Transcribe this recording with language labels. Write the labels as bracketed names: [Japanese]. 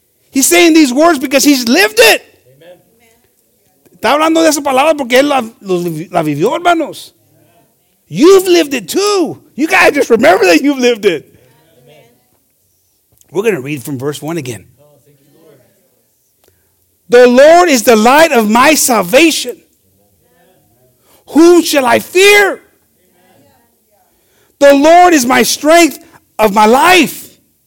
[English] He's saying these words because he's lived it. [Spanish] Está hablando de esa palabra porque él la vivió, hermanos. [English] You've lived it too. You got to just remember that you've lived it. Amen. We're going to read from verse 1 again. Oh, thank you, Lord. The Lord is the light of my salvation. Amen. Whom shall I fear? Amen. The Lord is my strength of my life.